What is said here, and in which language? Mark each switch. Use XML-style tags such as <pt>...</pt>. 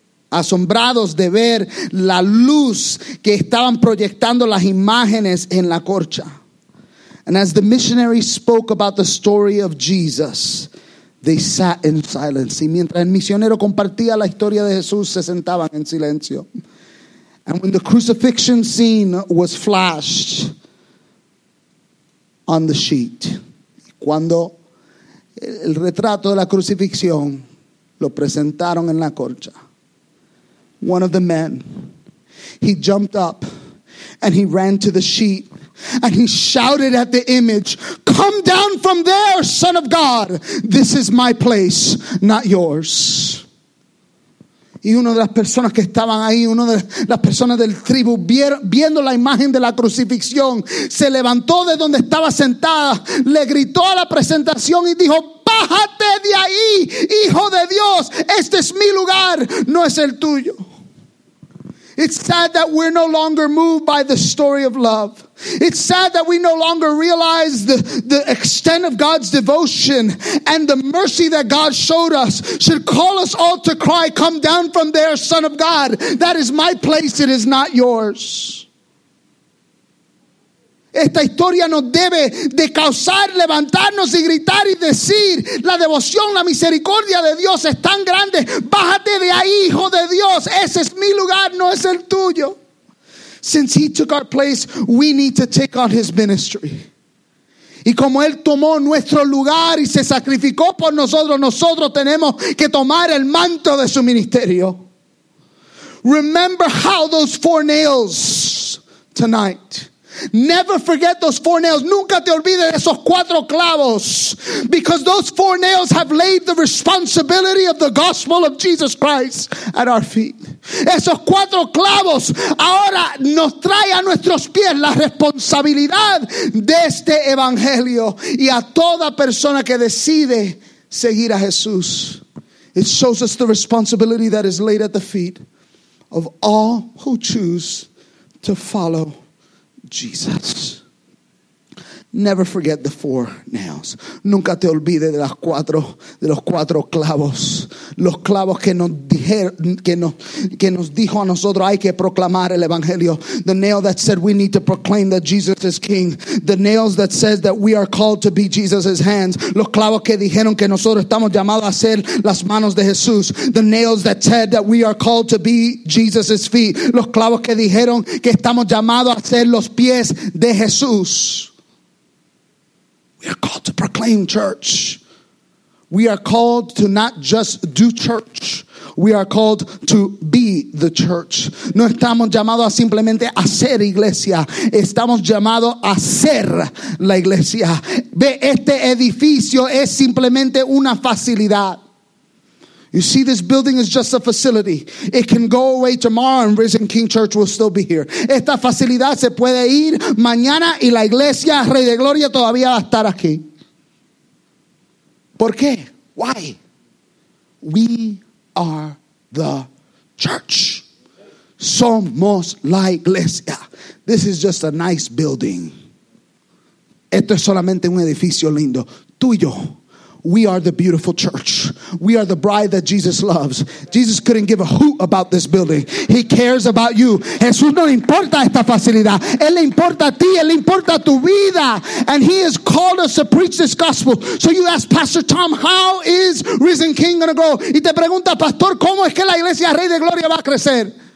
<es>asombrados de ver la luz que estaban proyectando las imágenes en la corcha.</es> <en>And as the missionary spoke about the story of Jesus, they sat in silence.</en> <es>Y mientras el misionero compartía la historia de Jesús, se sentaban en silencio.</es> <en>And when the crucifixion scene was flashed on the sheet,</en> <es>cuando el retrato de la crucifixión lo presentaron en la corcha,</es> <en>one of the men, he jumped up and he ran to the sheet and he shouted at the image, "Come down from there, Son of God. This is my place, not yours."</en> <es>Y una de las personas que estaban ahí, una de las personas del tribu, viendo la imagen de la crucifixión, se levantó de donde estaba sentada, le gritó a la presentación y dijo, "Bájate de ahí, hijo de Dios. Este es mi lugar, no es el tuyo."</es> <en>It's sad that we're no longer moved by the story of love. It's sad that we no longer realize the extent of God's devotion and the mercy that God showed us should call us all to cry, "Come down from there, Son of God. That is my place, it is not yours."</en> <es>Esta historia nos debe de causar levantarnos y gritar y decir, la devoción, la misericordia de Dios es tan grande. Bájate de ahí, hijo de Dios. Ese es mi lugar, no es el tuyo.</es> <en>Since he took our place, we need to take on his ministry.</en> <es>Y como él tomó nuestro lugar y se sacrificó por nosotros, nosotros tenemos que tomar el manto de su ministerio.</es> <en>Remember how those four nails tonight. Never forget those four nails.</en> <es>Nunca te olvides de esos cuatro clavos.</es> <en>Because those four nails have laid the responsibility of the gospel of Jesus Christ at our feet.</en> <es>Esos cuatro clavos ahora nos trae a nuestros pies la responsabilidad de este evangelio. Y a toda persona que decide seguir a Jesús.</es> <en>It shows us the responsibility that is laid at the feet of all who choose to follow Jesus. Never forget the four nails.</en> <es>Nunca te olvides de las cuatro, de los cuatro clavos. Los clavos que nos dijeron, que nos dijo a nosotros, hay que proclamar el evangelio.</es> <en>The nail that said we need to proclaim that Jesus is king. The nails that says that we are called to be Jesus' hands.</en> <es>Los clavos que dijeron que nosotros estamos llamados a ser las manos de Jesús.</es> <en>The nails that said that we are called to be Jesus' feet.</en> <es>Los clavos que dijeron que estamos llamados a ser los pies de Jesús.</es> <en>We are called to proclaim church. We are called to not just do church. We are called to be the church.</en> <es>No estamos llamados a simplemente hacer iglesia. Estamos llamados a ser la iglesia. Ve, este edificio es simplemente una facilidad.</es> <en>You see, this building is just a facility. It can go away tomorrow and Risen King Church will still be here.</en> <es>Esta facilidad se puede ir mañana y la iglesia Rey de Gloria todavía va a estar aquí. ¿Por qué?</es> <en>Why? We are the church.</en> <es>Somos la iglesia.</es> <en>This is just a nice building.</en> <es>Esto es solamente un edificio lindo. Tú y yo.</es> <en>We are the beautiful church. We are the bride that Jesus loves. Jesus couldn't give a hoot about this building. He cares about you.</en> <es>Jesús no le importa esta facilidad. Él le importa a ti. Él le importa tu vida.</es> <en>And he has called us to preach this gospel. So you ask Pastor Tom, how is Risen King going to grow?</en> <es>Y te pregunta, Pastor, ¿cómo es que la iglesia Rey de Gloria va a crecer?</es>